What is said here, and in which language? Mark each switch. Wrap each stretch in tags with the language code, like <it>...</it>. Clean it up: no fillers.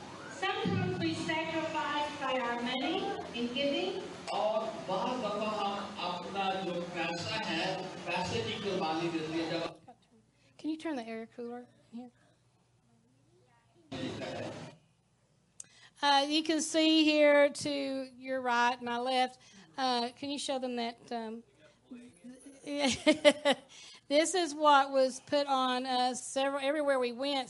<en>Sometimes we sacrifice by our money in giving.</en> <hi>और बहुत दफा हम अपना जो पैसा है पैसे की कुर्बानी देते हैं जब.</hi> <en>Can you turn the air cooler here? You can see here to your right, my left. Can you show them that? This is what was put on us several, everywhere we went.</en>